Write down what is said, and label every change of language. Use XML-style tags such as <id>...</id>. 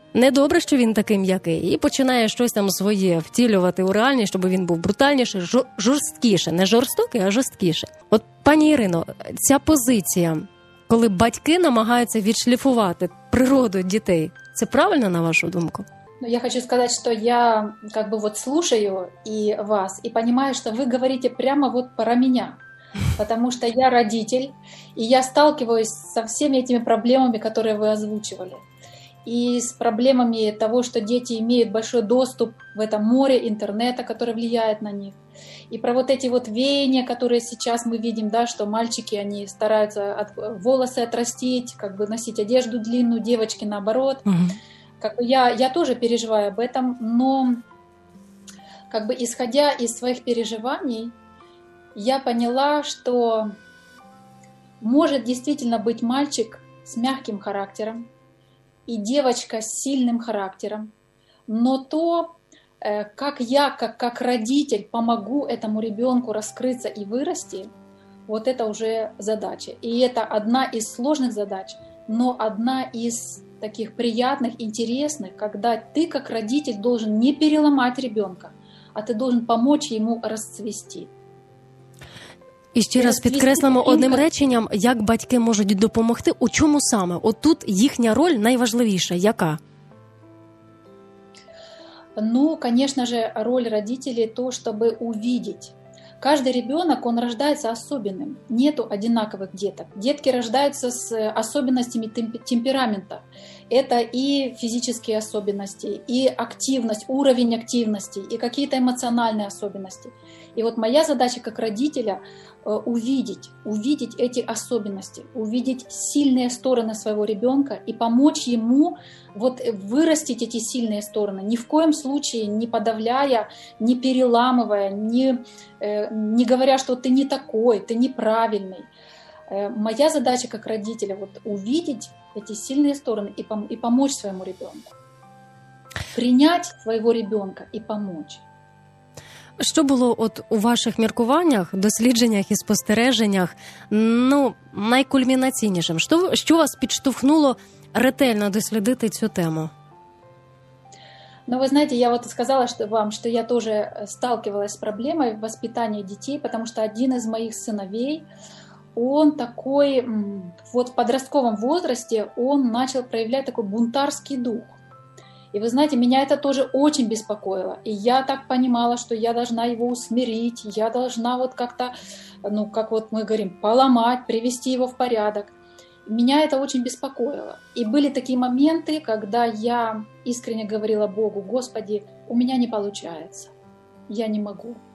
<uk>Недобре, що він такий м'який, і починає щось там своє втілювати у реальність, щоб він був брутальніший, жорсткіше, не жорстокий, а жорсткіше. От, пані Ірино, ця позиція, коли батьки намагаються відшліфувати природу дітей, це правильно, на вашу думку? Ну, я хочу сказати, що я</uk> <ru>как бы вот слушаю</ru> <uk>і вас, і</uk> <ru>понимаю,</ru> <uk>що ви</uk> <ru>говорите прямо вот</ru> <uk>про мене.</uk> <ru>Потому что я родитель, и я сталкиваюсь со всеми этими проблемами, которые вы озвучивали. И с проблемами того, что дети имеют большой доступ в это море интернета, которое влияет на них. И про вот эти вот веяния, которые сейчас мы видим, да, что мальчики, они стараются волосы отрастить, как бы носить одежду длинную, девочки наоборот. Как бы я тоже переживаю об этом, но как бы исходя из своих переживаний, я поняла, что может действительно быть мальчик с мягким характером и девочка с сильным характером, но то, как я, как родитель, помогу этому ребенку раскрыться и вырасти, вот это уже задача. И это одна из сложных задач, но одна из таких приятных, интересных, когда ты, как родитель, должен не переломать ребенка, а ты должен помочь ему расцвести.</ru> <uk>І ще раз підкреслимо одним реченням, як батьки можуть допомогти, у чому саме? От тут їхня роль найважливіша, яка? Ну, звісно ж, роль батьків – то, щоб побачити.</uk> <ru>Каждый ребенок, он рождается особенным. Нету одинаковых деток. Детки рождаются с особенностями темперамента. это и физические особенности, и активность, уровень активности, и какие-то эмоциональные особенности. И вот моя задача как родителя увидеть эти особенности, увидеть сильные стороны своего ребенка и помочь ему вот вырастить эти сильные стороны, ни в коем случае не подавляя, не переламывая, не говоря, что ты не такой, ты неправильный. Моя задача как родителя вот увидеть эти сильные стороны и помочь своему ребенку. Принять своего ребенка и помочь.</ru> <uk>Що було от у ваших міркуваннях, дослідженнях і спостереженнях, ну, найкульмінаційнішим? Що вас підштовхнуло ретельно дослідити цю тему? Ну, ви знаєте, я от сказала вам, що я теж сталкувалася з проблемою воспитання дітей, тому що один із моїх синовей,</uk> <ru>он такой, вот в подростковом возрасте он начал проявлять такой бунтарский дух. И вы знаете, меня это тоже очень беспокоило. И я так понимала, что я должна его усмирить, я должна вот как-то, ну, как вот мы говорим, поломать, привести его в порядок. Меня это очень беспокоило. И были такие моменты, когда я искренне говорила Богу: «Господи, у меня не получается, я не могу.</ru>